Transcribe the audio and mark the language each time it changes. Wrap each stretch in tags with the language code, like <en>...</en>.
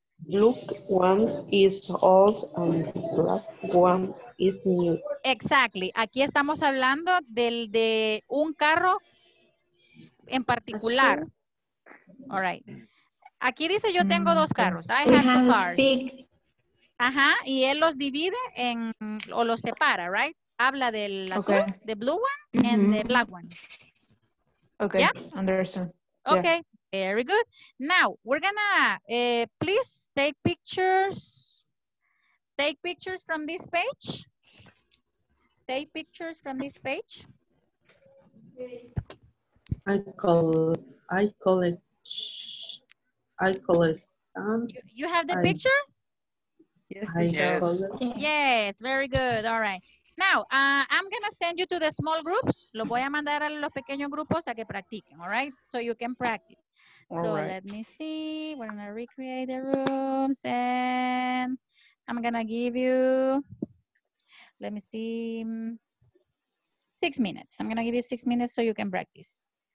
<en>Blue one is old and black one is new. Exactly.</en> <es>Aquí estamos hablando del de un carro en particular. All right. Aquí dice yo tengo dos carros.</es> <en>I have two cars.</en> <es>Ajá. Y él los divide en o los separa,</es> <en>right?</en> <es>Habla del azul,</es> <en>okay. The blue one, mm-hmm. And the black one. Okay. Yeah? Understand. Okay. Yeah. Very good. Now, we're going to please take pictures. Take pictures from this page. Take pictures from this page. You have the picture? Yes, very good. All right. Now, I'm going to send you to the small groups.</en> <es>Lo voy a mandar a los pequeños grupos a que practiquen,</es> <en>all right? So you can practice. So right. Let me see, we're gonna recreate the rooms and I'm gonna give you, let me see, 6 minutes. I'm gonna give you 6 minutes so you can practice.</en>